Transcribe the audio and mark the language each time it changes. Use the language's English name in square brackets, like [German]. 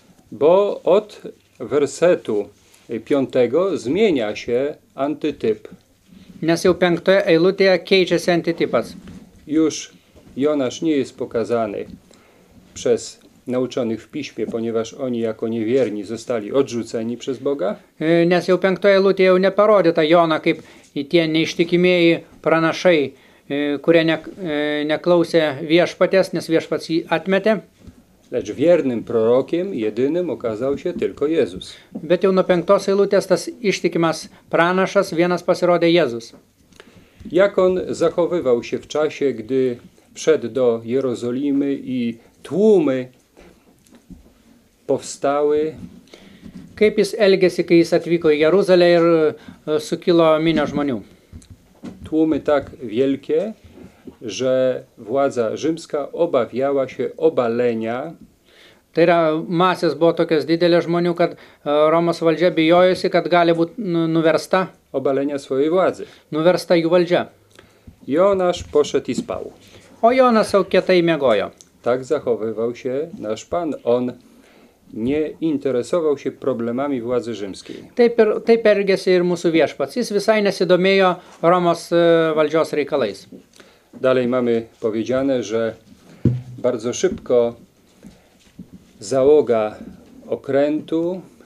[Polish] Bo od versetu 5 zmienia się antytyp. [Lithuanian] Nes jau 5 eilutėje keičiasi antitypas. [Polish] Już Jonasz nie jest pokazany przez nauczonych w piśmie, ponieważ oni jako niewierni zostali odrzuceni przez Boga. [Lithuanian] Nes jau 5 eilutėje jau neparodyta Jona kaip tie neištikimieji pranašai, kurie neklausė viešpaties, nes viešpats jį atmetė. [Polish] Lecz wiernym prorokiem jedynym okazał się tylko Jezus. [Lithuanian] Bet jau nuo 5 eilutės tas ištikimas pranašas vienas pasirodė Jezus. [Polish] Jak on zachowywał się w czasie, gdy wszedł do Jerozolimy i tłumy powstały? [Lithuanian] Kaip jis elgėsi, kai jis atvyko į Jeruzalę ir sukilo minio žmonių? [Polish] Tłumy tak wielkie, że władza rzymska obawiała się obalenia. [Lithuanian] Tai yra, masės buvo tokios didelės žmonių, kad Romos valdžia bijojosi, kad gali būti nuversta. [Polish] Obalenia swojej władzy. [Lithuanian] Nuversta jų valdžia. [Polish] Jonasz poszedł i spał. [Lithuanian] O Jonas jau kietai miegojo. [Polish] Tak zachowywał się nasz Pan. On nie interesował się problemami władzy rzymskiej. [Lithuanian] Taip elgėsi ir mūsų viešpats. Jis visai nesidomėjo Romos valdžios reikalais. [Polish] Dalej mamy powiedziane, że bardzo szybko załoga okrętu